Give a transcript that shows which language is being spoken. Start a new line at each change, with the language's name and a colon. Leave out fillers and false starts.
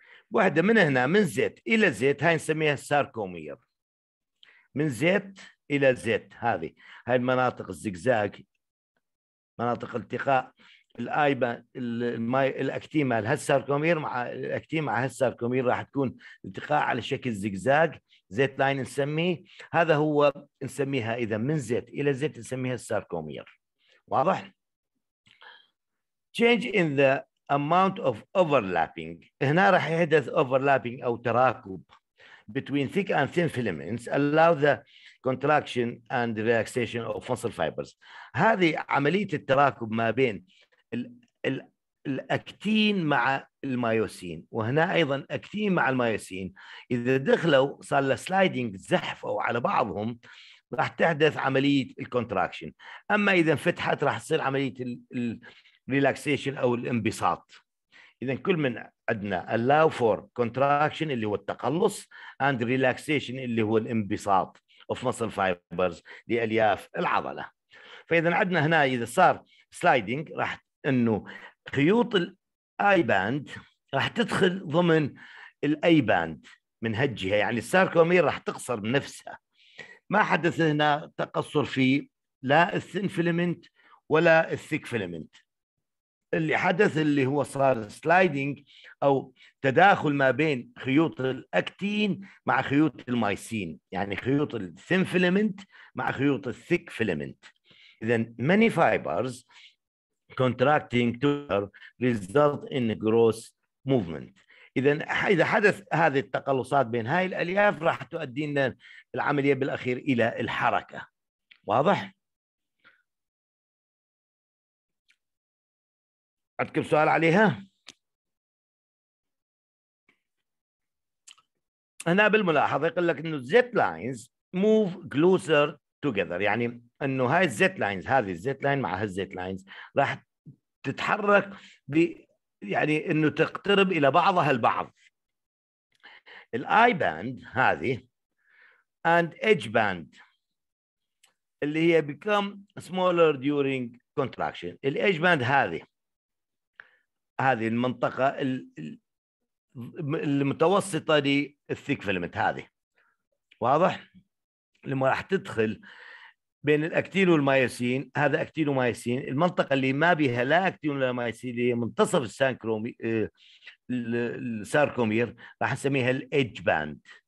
Arabic: واحده من هنا من زيت الى زيت هاي نسميها الساركومير، من زيت الى زيت هذه، هاي المناطق الزجزاج مناطق التقاء الاي الاكتين مع هالساركومير مع الاكتين مع هالساركومير راح تكون التقاء على شكل زجزاج زيت لاين نسميه، هذا هو نسميها اذا من زيت الى زيت نسميها الساركومير. واضح؟
English: change in the amount of overlapping.
Arabic: هنا راح يحدث
English: overlapping
Arabic: أو تراكب
English: between thick and thin filaments allow the contraction and relaxation of muscle fibers.
Arabic: هذه عملية التراكب ما بين الأكتين مع المايوسين، وهنا أيضا أكتين مع المايوسين إذا دخلوا صار له سلايدنج زحف أو على بعضهم راح تحدث عملية الكونتراكشن، أما إذا انفتحت راح تصير عملية الريلاكسيشن أو الانبساط. إذا كل من عندنا
English: allow for contraction
Arabic: اللي هو التقلص
English: and relaxation
Arabic: اللي هو الانبساط
English: of muscle fibers
Arabic: لألياف العضلة. فإذا عندنا هنا إذا صار سلايدنج راح إنه خيوط الاي باند راح تدخل ضمن الاي باند من هالجهه، يعني الساركومير راح تقصر بنفسها. ما حدث هنا تقصر في لا الثين فيلمنت ولا الثيك فيلمنت. اللي حدث اللي هو صار سلايدنج او تداخل ما بين خيوط الاكتين مع خيوط المايسين، يعني خيوط الثين فيلمنت مع خيوط الثيك فيلمنت. اذا
English: Many fibers contracting to result in gross movement.
Arabic: إذا حدث هذه التقلصات بين هاي الألياف راح تؤدي لنا العملية بالأخير إلى الحركة. واضح؟ عندكم سؤال عليها؟ هنا بالملاحظة يقول لك إنه
English: zit lines move closer together،
Arabic: يعني إنه هاي zit lines هذه zit line مع هالzit lines راح تتحرك ب يعني انه تقترب الى بعضها البعض. الاي باند هذه
English: and edge band
Arabic: اللي هي
English: become smaller during contraction.
Arabic: الايدج باند هذه المنطقة المتوسطة للثيك فيلمنت هذه. واضح؟ لما راح تدخل بين الاكتين والمايوسين، هذا اكتين ومايوسين، المنطقة اللي ما بها لا اكتين ولا مايوسين اللي هي منتصف الساركومير راح نسميها الايدج باند.